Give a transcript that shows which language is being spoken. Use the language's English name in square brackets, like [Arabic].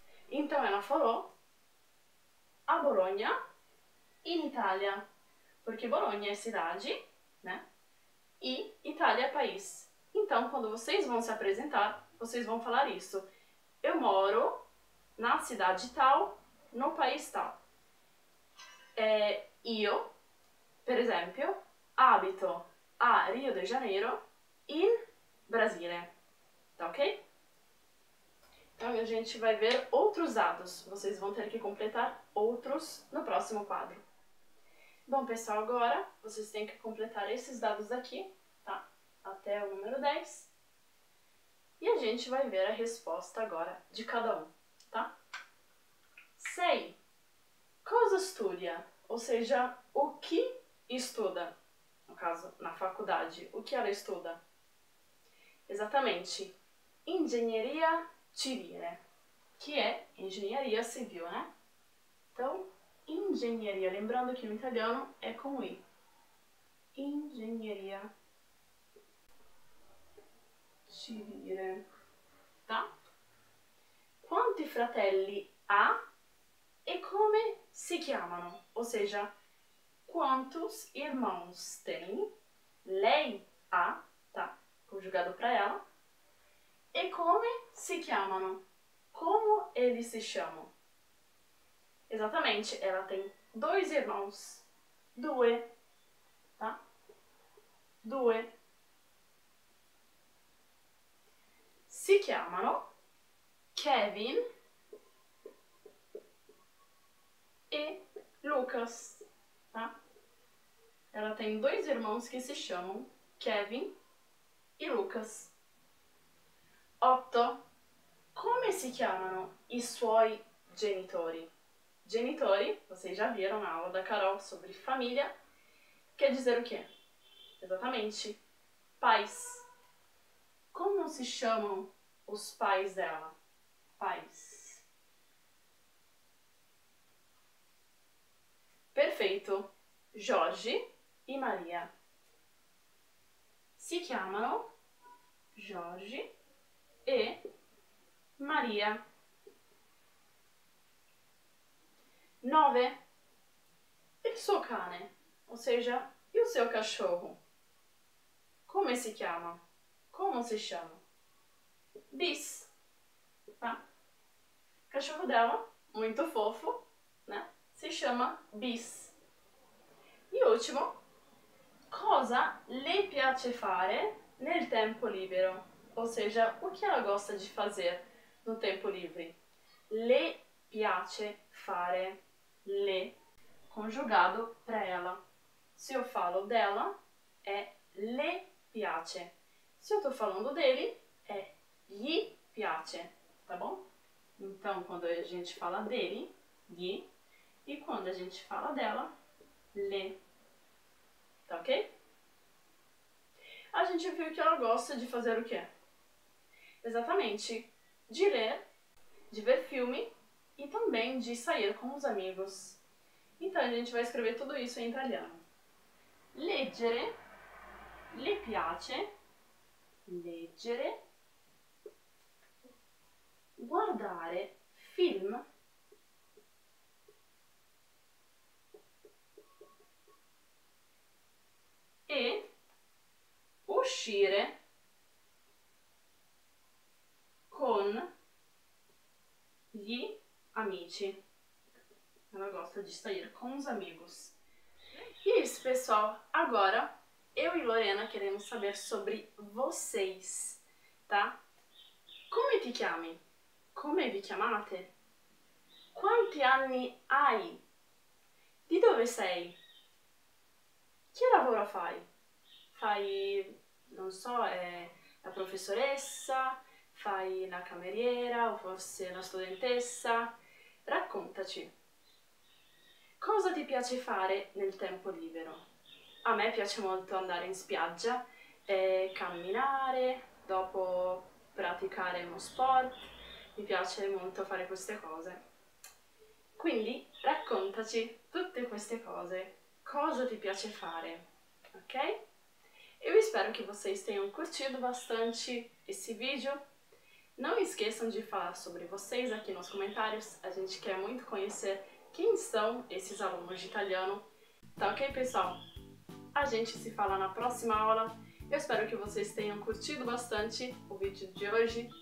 [Portuguese] Então ela falou [Italian] a Bologna in Italia, [Portuguese] porque Bologna é cidade, né? E Itália é país. Então, quando vocês vão se apresentar, vocês vão falar isso. Eu moro na cidade tal, no país tal. [Italian] Io, per esempio, abito a Rio de Janeiro in Brasile. [Portuguese] Tá ok? Então, a gente vai ver outros dados. Vocês vão ter que completar outros no próximo quadro. Bom, pessoal, agora vocês têm que completar esses dados aqui, tá? Até o número 10. E a gente vai ver a resposta agora de cada um, tá? 6. [Italian] Cosa studia? [Portuguese] Ou seja, o que estuda? No caso, na faculdade, o que ela estuda? Exatamente. Engenharia civile, que é engenharia civil, né? Então, engenharia, lembrando que no italiano é com I. Engenharia civile, tá? [Italian] Quanti fratelli ha e come si chiamano? [Portuguese] Ou seja, quantos irmãos tem? [Italian] Lei ha, [Portuguese] tá? Conjugado para ela. [Italian] E come si chiamano? [Portuguese] Como eles se chamam? Exatamente, ela tem dois irmãos. [Italian] Due, tá? Due. Si chiamano Kevin e Lucas, tá? [Portuguese] Ela tem dois irmãos que se chamam Kevin e Lucas. 8. [Italian] Come si chiamano i suoi genitori? [Portuguese] Genitori, vocês já viram na aula da Carol sobre famiglia, quer dizer o quê? Esattamente, pais. [Italian] Come si chiamano [Portuguese] os pais dela? Pais. Perfeito. Jorge e Maria. [Italian] Si chiamano Jorge e Maria. [Portuguese] 9. [Italian] Il suo cane, [Portuguese] ou seja, e o seu cachorro? [Italian] Come si chiama? Come si chiama? [Portuguese] Bis, tá? Cachorro dela, muito fofo, né? [Italian] Si chiama Bis. E ultimo, cosa le piace fare nel tempo libero? [Portuguese] Ou seja, o que ela gosta de fazer no tempo livre? [Italian] Le piace fare. [Portuguese] Le, conjugado para ela. Se eu falo dela, é [Italian] le piace. [Portuguese] Se eu estou falando dele, é [Italian] gli piace, [Portuguese] tá bom? Então, quando a gente fala dele, gli, e quando a gente fala dela, le. Tá ok? A gente viu que ela gosta de fazer o quê? Exatamente, de ler, de ver filme e também de sair com os amigos. Então a gente vai escrever tudo isso em italiano. [Italian] Leggere, le piace, leggere, guardare film, uscire con gli amici. [Portuguese] Ela gosta de sair com os amigos. E isso, pessoal. Agora eu e Lorena queremos saber sobre vocês, tá? [Italian] Come ti chiami? Come vi chiamate? Quanti anni hai? Di dove sei? Che lavoro fai? Fai, non so, la professoressa? Fai la cameriera o forse la studentessa? Raccontaci. Cosa ti piace fare nel tempo libero? A me piace molto andare in spiaggia e camminare, dopo praticare uno sport. Mi piace molto fare queste cose. Quindi raccontaci tutte queste cose. Cosa ti piace fare? Ok? [Portuguese] Eu espero que vocês tenham curtido bastante esse vídeo. Não esqueçam de falar sobre vocês aqui nos comentários. A gente quer muito conhecer quem são esses alunos de italiano. Tá ok, pessoal? A gente se fala na próxima aula. Eu espero que vocês tenham curtido bastante o vídeo de hoje.